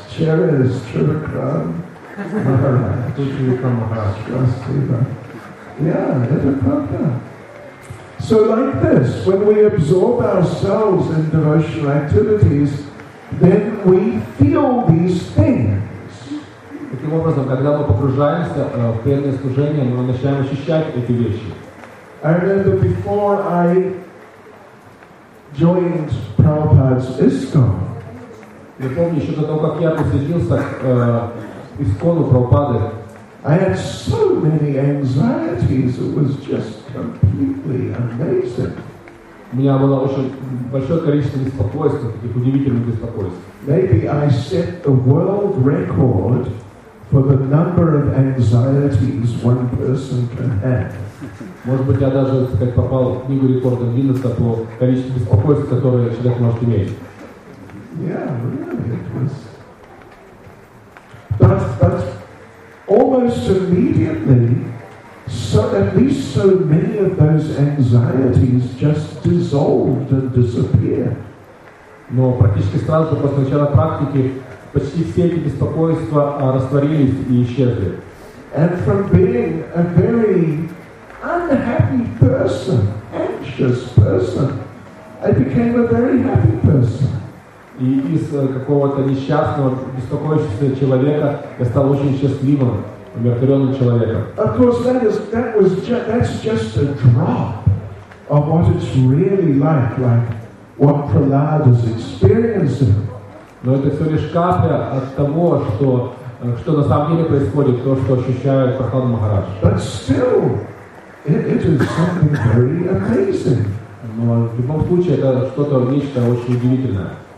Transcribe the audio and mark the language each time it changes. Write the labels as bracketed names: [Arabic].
[English] Cheers, Chirukram. Yeah, it's a problem. So like this, when we absorb ourselves in devotional activities, then we feel these things. [Russian] Таким образом, когда мы погружаемся в преданное служение, мы начинаем ощущать эти вещи. [English] I remember before I joined Prabhupada's ISKCON. [Russian] Я помню, еще до того, как я присоединился к Искону Прабхупады. [English] I had so many anxieties, it was just completely amazing. [Russian] У меня было очень большое количество беспокойств, таких удивительных беспокойств. [English] Maybe I set the world record for the number of anxieties one person can have. [Russian] Может быть, я даже, так сказать, попал в книгу рекорда Гиннесса по количеству беспокойств, которые человек может иметь. [English] Yeah, really, it was. But almost immediately, so at least so many of those anxieties just dissolved and disappeared. [Russian] Но практически сразу же после начала практики почти все эти беспокойства растворились и исчезли. [English] And from being a very unhappy person, anxious person, I became a very happy person. [Russian] И из какого-то несчастного, беспокоящегося человека я стал очень счастливым, умиротворенным человеком. [English] Of course, that's just a drop of what it's really like what Prahlad is experiencing. [Russian] Но это все лишь капля от того, что на самом деле происходит, то, что ощущает Прахлад Махарадж. [English] But still, it is something very amazing. [Russian] Но в любом случае это что-то нечто очень удивительное.